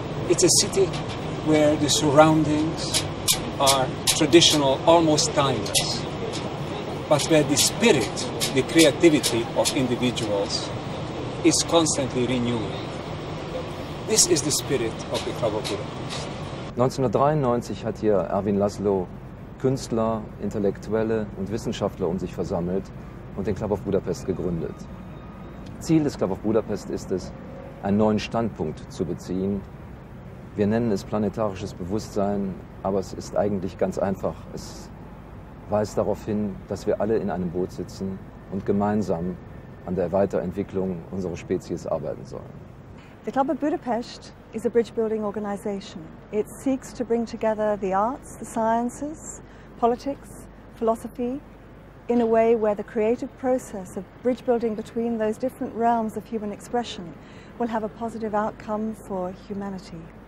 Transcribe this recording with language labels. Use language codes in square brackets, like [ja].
[en] It's a city where the surroundings are traditional, almost timeless, but where the spirit, the creativity of individuals is constantly renewing. This is the spirit of the Club of Budapest. [de] 1993 hat hier Ervin Laszlo Künstler, Intellektuelle und Wissenschaftler um sich versammelt und den Club of Budapest gegründet. Ziel des Club of Budapest ist es, einen neuen Standpunkt zu beziehen. Wir nennen es planetarisches Bewusstsein, aber es ist eigentlich ganz einfach. Es weist darauf hin, dass wir alle in einem Boot sitzen und gemeinsam an der Weiterentwicklung unserer Spezies arbeiten sollen. [en] The Club of Budapest is a bridge-building organization. It seeks to bring together the arts, the sciences, politics, philosophy, in a way where the creative process of bridge building between those different realms of human expression will have a positive outcome for humanity.